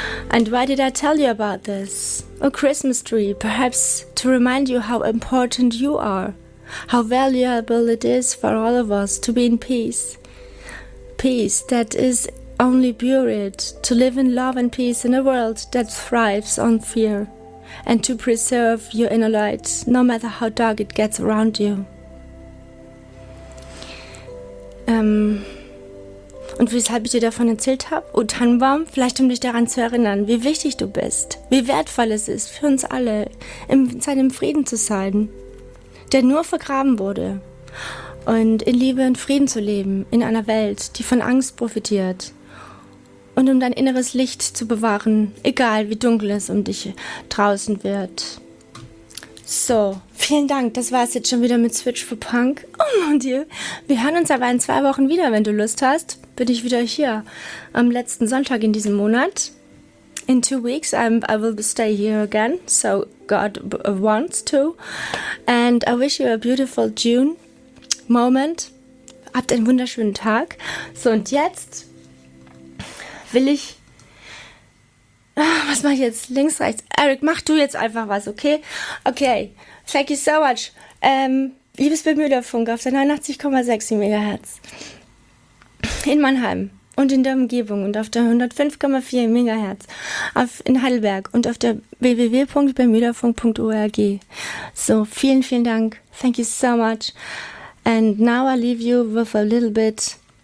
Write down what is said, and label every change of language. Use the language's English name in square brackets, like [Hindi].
[English] And why did I tell you about this? A Christmas tree, perhaps to remind you how important you are, how valuable it is for all of us to be in peace. Peace that is only buried, to live in love and peace in a world that thrives on fear, and to preserve your inner light, no matter how dark it gets around you. [German] Und weshalb ich dir davon erzählt habe? Oh, Tannenbaum, vielleicht um dich daran zu erinnern, wie wichtig du bist, wie wertvoll es ist für uns alle, in seinem Frieden zu sein, der nur vergraben wurde. Und in Liebe und Frieden zu leben, in einer Welt, die von Angst profitiert. Und um dein inneres Licht zu bewahren, egal wie dunkel es um dich draußen wird. So, vielen Dank. Das war es jetzt schon wieder mit Switch for Punk. [French] Oh, mon Dieu. [German] Wir hören uns aber in 2 Wochen wieder, wenn du Lust hast. Bin ich wieder hier am letzten Sonntag in diesem Monat. [English] In 2 weeks I will stay here again, so God wants to. And I wish you a beautiful June moment. [German] Habt einen wunderschönen Tag. So, und jetzt will ich... Was mache ich jetzt? Links, rechts? Eric, mach du jetzt einfach was, okay? [English] Okay, thank you so much. [German] Liebes Bemühlerfunk auf der 89,6 MHz in Mannheim und in der Umgebung und auf der 105,4 MHz in Heidelberg und auf der www.bemühlerfunk.org. So, vielen, vielen Dank. [English] Thank you so much. And now I leave you with a little bit.